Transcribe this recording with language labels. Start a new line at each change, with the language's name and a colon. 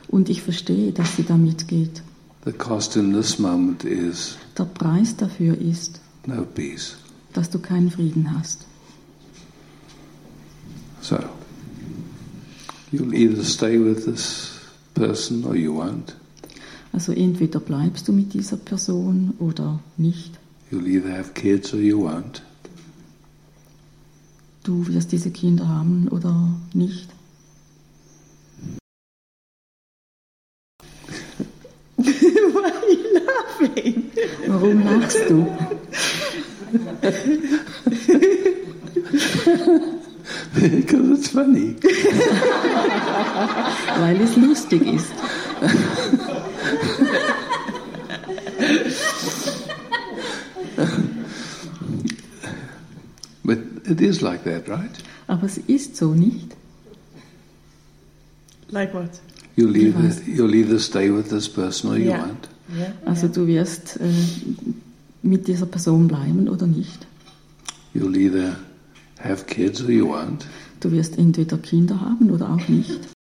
German: Und ich verstehe, dass sie damit geht.
English: The cost in this moment is.
German: Der Preis dafür ist.
English: No peace.
German: Dass du keinen Frieden hast.
English: So. You'll either stay with this person or you won't.
German: Also entweder bleibst du mit dieser Person oder nicht.
English: You'll either have kids or you won't.
German: Du wirst diese Kinder haben oder nicht.
English: Why are you laughing?
German: Warum lachst du?
English: Because it's funny.
German: Weil es lustig ist.
English: But it is like that, right?
German: Aber es ist so, nicht?
English: Like what? You'll either stay with this person or you won't. Yeah.
German: Also du wirst mit dieser Person bleiben oder nicht?
English: You'll either have kids or you won't.
German: Du wirst entweder Kinder haben oder auch nicht.